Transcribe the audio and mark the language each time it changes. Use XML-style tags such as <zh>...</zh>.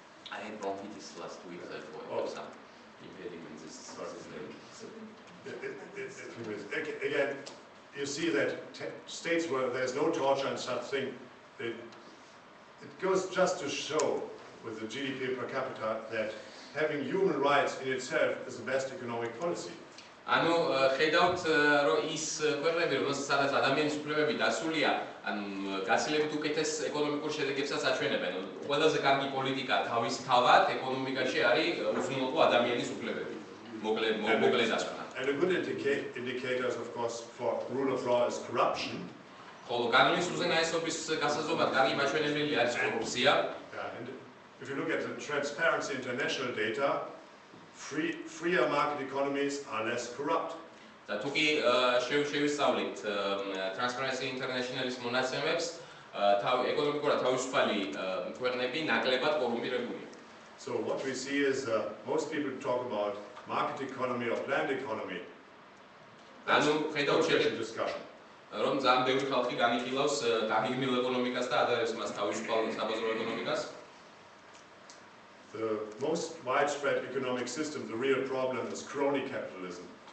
<en>I had bumped this last week, therefore, for some impediment. Again, you see that states where there's no torture and such thing, it goes just to show with the GDP per capita that having human rights in itself is the best economic policy.</en> <ka>ანუ ხედავთ რომ ის ქვეყნები რომელსაც ადამიანის უფლებები დასულია ან გაცილებით უკეთეს ეკონომიკურ შედეგებსაც აჩვენებენ. ყველაზე კარგი პოლიტიკა თავის თავად ეკონომიკაში არის უზრუნველყო ადამიანის უფლებები. მოკლედ ასე.</ka> <en>And a good indicator of course for rule of law is corruption.</en> <ka>ხოლო კანონის უზენაესობის გასაზრდელად კარგი მაჩვენებელი არის კორუფცია.</ka> <en>If you look at the Transparency International data, freer market economies are less corrupt.</en> <ka>Და თუკი შევისწავლით Transparency International-ის მონაცემებს, ეკონომიკურად თავისუფალი ქვეყნები ნაკლებად კორუმპირებულია.</ka> <en>So what we see is most people talk about market economy or planned economy.</en> <ka>ანუ ხედავთ შეიძლება</ka> <en>discussion.</en> <ka>რომ ძალიან ბევრი ხალხი განიხილავს დაგეგმილ ეკონომიკას და ადარებს მას თავისუფალ საბაზრო ეკონომიკას.</ka> <en>The most widespread economic system, the real problem is crony capitalism.</en>